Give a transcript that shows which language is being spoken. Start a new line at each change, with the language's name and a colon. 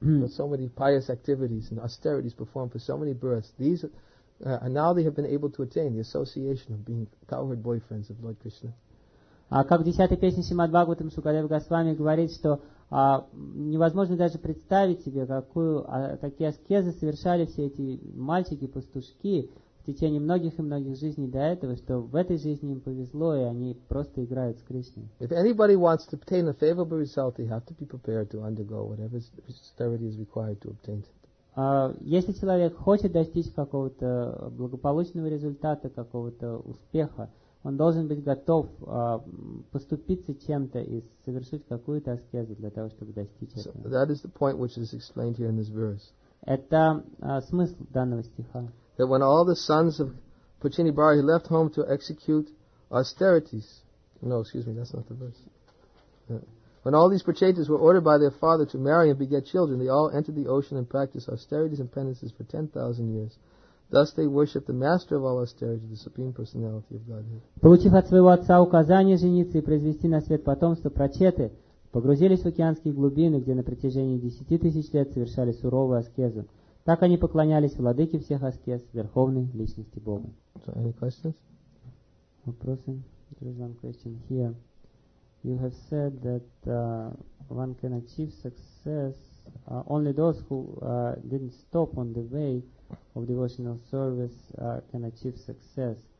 English: So many pious activities and austerities performed for so many births. These and now they have been able to attain the association of being cowherd boyfriends of Lord Krishna.
Russian: А как в 10-й песне Шримад Бхагаватам Шукадева Госвами говорит, что невозможно даже представить себе, какие аскезы совершали все эти мальчики-пастушки в течение многих и многих жизней до этого, что в этой жизни им повезло, и они просто играют с Кришной.
English: If anybody wants to obtain a favorable result, they have to be prepared to undergo whatever austerity is required to obtain it.
Russian: Если человек хочет достичь какого-то благополучного результата, какого-то успеха, он должен быть готов поступиться чем-то и совершить какую-то аскезу для того, чтобы достичь этого.
English: So that is the point which is explained here in this verse.
Russian: Это смысл данного стиха.
English: That when all the sons of Puccini Bharati he left home to execute austerities. No, excuse me, that's not the verse. When all these Puccinis were ordered by their father to marry and beget children, they all entered the ocean and practiced austerities and penances for 10,000 years. Thus they worship the master of all austerity, the supreme personality of Godhead.
Russian: Получив от своего отца указание жениться и произвести на свет потомство, прочеты погрузились в океанские глубины, где на протяжении 10,000 лет совершали суровую аскезу. Так они поклонялись владыке всех аскез, верховной личности Бога.
English: So, any questions?
Russian: Вопросы?
English: There is one question here. You have said that one can achieve success only those who didn't stop on the way of devotional service can achieve success.